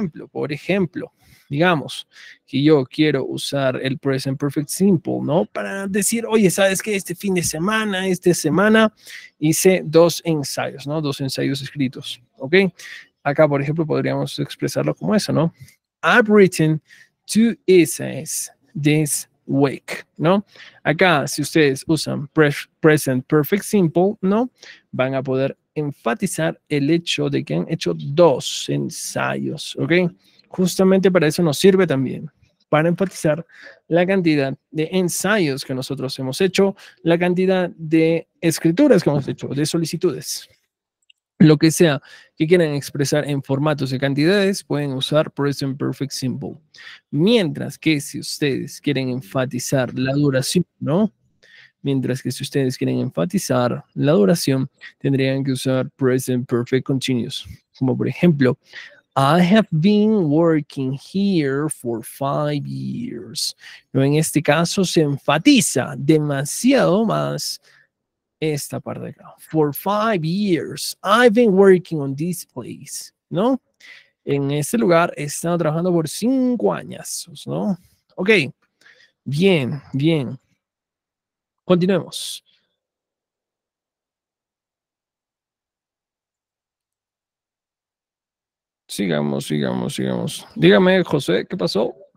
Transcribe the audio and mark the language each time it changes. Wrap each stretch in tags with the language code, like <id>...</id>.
<es>Por ejemplo, digamos que yo quiero usar el Present Perfect Simple, ¿no? Para decir, oye, ¿sabes qué? Esta semana hice dos ensayos, ¿no? Dos ensayos escritos, ¿ok? Acá, por ejemplo, podríamos expresarlo como eso, ¿no?</es> <en>I've written two essays this week,</en> <es>¿no? Acá, si ustedes usan Present Perfect Simple, ¿no? Van a poder enfatizar el hecho de que han hecho dos ensayos, ¿ok? Justamente para eso nos sirve también, para enfatizar la cantidad de ensayos que nosotros hemos hecho, la cantidad de escrituras que hemos hecho, de solicitudes. Lo que sea que quieran expresar en formatos de cantidades, pueden usar Present Perfect Simple. Mientras que si ustedes quieren enfatizar la duración, ¿no? Mientras que si ustedes quieren enfatizar la duración, tendrían que usar Present Perfect Continuous. Como por ejemplo,</es> <en>I have been working here for 5 years.</en> <es>Pero en este caso se enfatiza demasiado más esta parte de acá.</es> <en>For 5 years, I've been working on this place,</en> <es>¿no? En este lugar he estado trabajando por 5 años, ¿no? Ok, bien. Continuemos. Sigamos. Dígame, José, ¿qué pasó?</es>